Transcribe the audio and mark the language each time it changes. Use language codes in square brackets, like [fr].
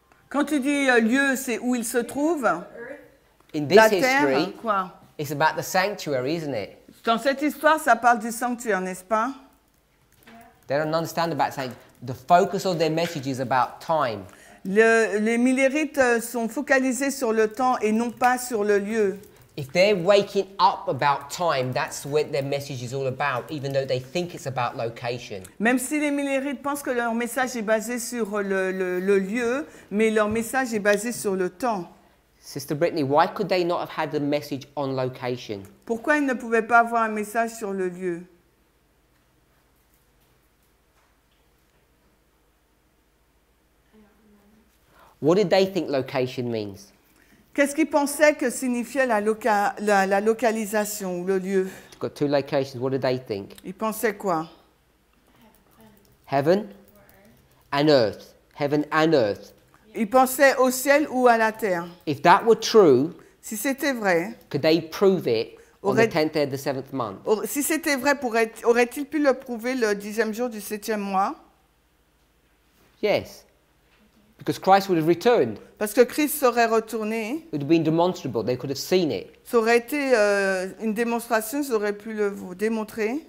[fr] Quand tu dis lieu, c'est où ils se trouvent. [en] In this [fr] la [en] history, [fr] terre, quoi? [en] It's about the sanctuary, isn't it? [fr] Dans cette histoire, ça parle du sanctuaire, n'est-ce pas? [en] Yeah. They don't understand about sanctuary. The focus of their message is about time. [fr] Les millérites sont focalisés sur le temps et non pas sur le lieu. [en] If they're waking up about time, that's what their message is all about, even though they think it's about location. [fr] Même si les millérites pensent que leur message est basé sur le lieu, mais leur message est basé sur le temps. [en] Sister Brittany, why could they not have had the message on location? [fr] Pourquoi ils ne pouvaient pas avoir un message sur le lieu? [en] What did they think location means? [fr] Qu'est-ce qu'ils pensaient que signifiait la localisation ou le lieu? [en] You've got two locations. What did they think? [fr] Ils pensaient quoi? [en] Heaven and earth. Heaven and earth. [fr] Ils pensaient au ciel ou à la terre. [en] If that were true, [fr] si c'était vrai, [en] could they prove it on the 10th day of the 7th month? [fr] Si c'était vrai, aurait-il pu le prouver le 10e jour du 7e mois? [en] Yes. Because Christ would have returned. [fr] Parce que Christ serait retourné. [en] It would have been demonstrable. They could have seen it. [fr] Ça aurait été une démonstration. Ils auraient pu le démontrer.